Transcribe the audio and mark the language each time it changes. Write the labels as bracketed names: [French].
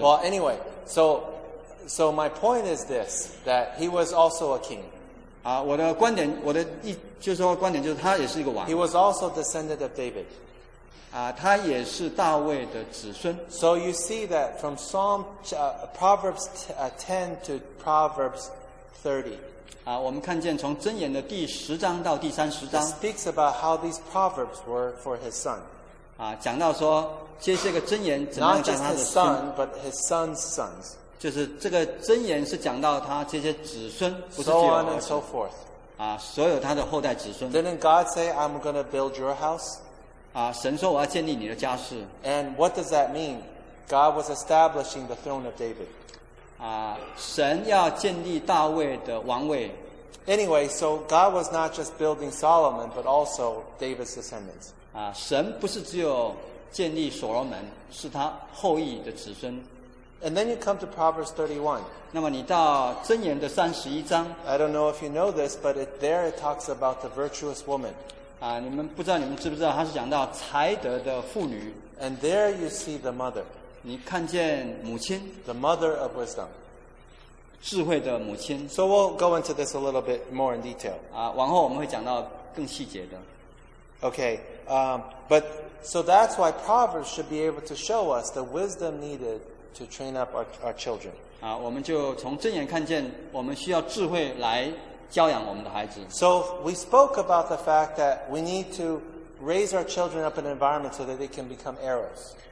[English] Well, anyway, so my point is this: that he was also a king. [Chinese] 我的观点，我的一就是说观点就是他也是一个王。 [English] He was also descendant of David. [Chinese] 他也是大卫的子孙。 [English] So you see that from Proverbs 10 to Proverbs 30. [Chinese] 我们看见从箴言的第十章到第三十章。 [English] It speaks about how these proverbs were for his son. [Chinese] 讲到说，这是一个箴言，怎么样讲他的孙。 [English] Not just his son, but his son's sons. [Chinese] 就是这个箴言是讲到他这些子孙，不是只有儿子。 [English] So on and so forth. [Chinese] 所有他的后代子孙。 [English] Didn't God say, "I'm going to build your house"? [Chinese] 神说我要建立你的家室。 [English] And what does that mean? God was establishing the throne of David. [Chinese] 神要建立大卫的王位。 [English] Anyway, so God was not just building Solomon, but also David's descendants. [Chinese] 神不是只有建立所罗门，是他后裔的子孙。 [English] And then you come to Proverbs 31. [Chinese] 那么你到箴言的三十一章。 [English] I don't know if you know this, but there it talks about the virtuous woman. [Chinese] 你们不知道，你们知不知道？他是讲到才德的妇女。 [English] And there you see the mother. [Chinese] 你看见母亲。 [English] The mother of wisdom. [Chinese] 智慧的母亲。 [English] So we'll go into this a little bit more in detail. [Chinese] 往后我们会讲到更细节的。 [English] Okay. But so that's why Proverbs should be able to show us the wisdom needed to train up our children. [Chinese] 我们就从箴言看见，我们需要智慧来。教养我们的孩子。 [English] So we spoke about the fact that we need to raise our children up in an environment so that they can become arrows.